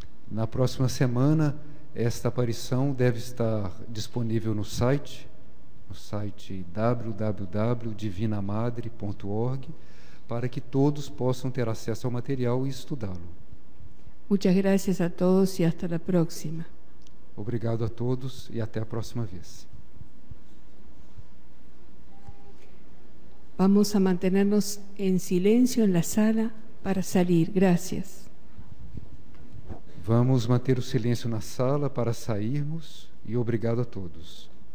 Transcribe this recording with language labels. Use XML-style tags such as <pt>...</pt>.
<pt>Na próxima semana esta aparição deve estar disponível no site, www.divinamadre.org, para que todos possam ter acesso ao material e estudá-lo.</pt> <es>Muchas gracias a todos y hasta la próxima.</es> <pt>Obrigado a todos e até a próxima vez. Vamos a mantenernos em silêncio na sala para sair.</pt> <es>Gracias.</es> <pt>Vamos manter o silêncio na sala para sairmos e obrigado a todos.</pt>